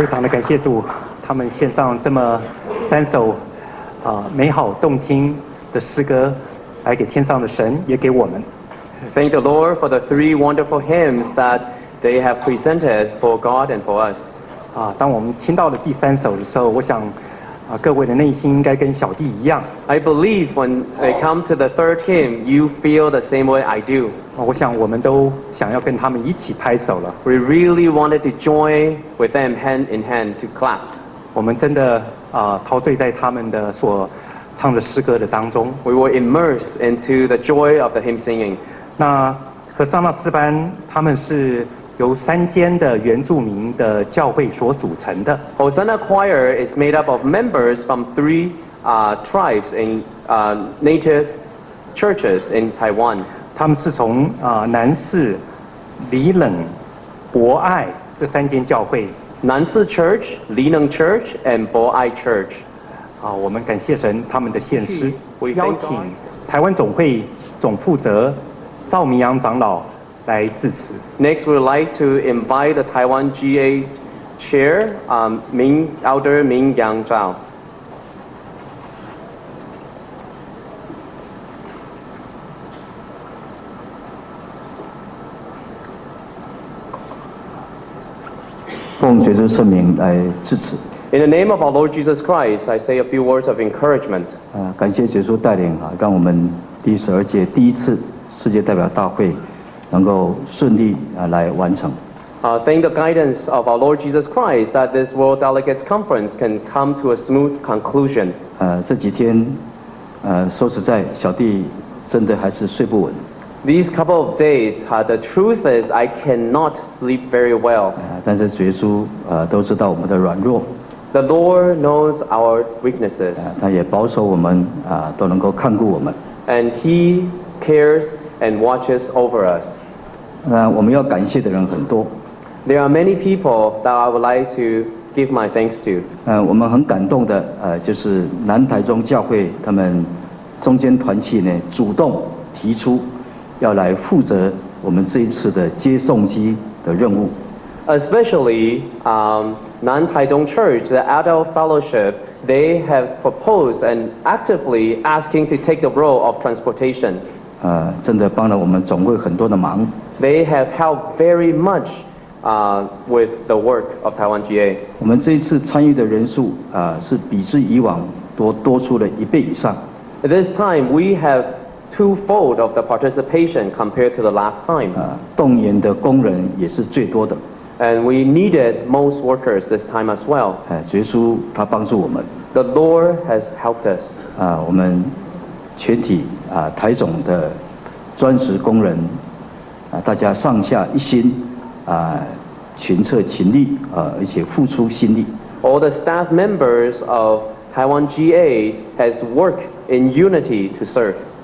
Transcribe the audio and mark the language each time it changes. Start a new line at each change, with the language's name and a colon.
Chinese: 感谢主，他们献上这么三首美好动听的诗歌，来给天上的神，也给我们。
English: Thank the Lord for the three wonderful hymns that they have presented for God and for us.
Chinese: 当我们听到了第三首的时候，我想各位的内心应该跟小弟一样。
English: I believe when they come to the third hymn, you feel the same way I do.
Chinese: 我想我们都想要跟他们一起拍手了。
English: We really wanted to join with them hand in hand to clap.
Chinese: 我们真的陶醉在他们的所唱的诗歌的当中。
English: We were immersed into the joy of the hymn singing.
Chinese: 那和尚那斯班他们是由三间的原住民的教会所组成的。
English: Hosanna Choir is made up of members from three tribes in native churches in Taiwan.
Chinese: 他们是从南势、里冷、博爱这三间教会。
English: 南势 Church、里冷 Church and 博爱 Church。
Chinese: 我们感谢神他们的献诗。
English: We thank God.
Chinese: 邀请台湾总会总负责赵明阳长老。来致辞。
English: Next, we would like to invite the Taiwan GA Chair, Elder Ming Yang Zhao.
Chinese: 奉耶稣圣名来致辞。
English: In the name of our Lord Jesus Christ, I say a few words of encouragement.
Chinese: 感谢耶稣带领让我们第十二届第一次世界代表大会。能够顺利来完成。
English: Thank the guidance of our Lord Jesus Christ that this World Delegates Conference can come to a smooth conclusion.
Chinese: 这几天，说实在，小弟真的还是睡不稳。
English: These couple of days, the truth is I cannot sleep very well.
Chinese: 但是耶稣都知道我们的软弱。
English: The Lord knows our weaknesses.
Chinese: 他也保守我们都能够看顾我们。
English: And He cares and watches over us.
Chinese: 那我们要感谢的人很多。
English: There are many people that I would like to give my thanks to.
Chinese: 我们很感动的就是南台中教会他们中间团契呢主动提出。要来负责我们这一次的接送机的任务。
English: Especially, 南台中 Church, the Adult Fellowship, they have proposed and actively asking to take the role of transportation.
Chinese: 真的帮了我们总会很多的忙。
English: They have helped very much, with the work of Taiwan GA.
Chinese: 我们这一次参与的人数是比之以往多出了一倍以上。
English: At this time, we have twofold of the participation compared to the last time.
Chinese: 动员的工人也是最多的。
English: And we needed most workers this time as well.
Chinese: 耶稣他帮助我们。
English: The Lord has helped us.
Chinese: 我们全体台总的专职工人大家上下一心群策群力而且付出心力。
English: All the staff members of Taiwan GA has worked in unity to serve.